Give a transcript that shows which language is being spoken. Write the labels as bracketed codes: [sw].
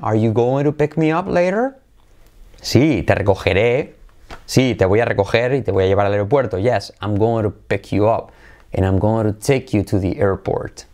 [en] Are you going to pick me up later? [es] Sí, te recogeré. Sí, te voy a recoger y te voy a llevar al aeropuerto. [en] Yes, I'm going to pick you up. And I'm going to take you to the airport.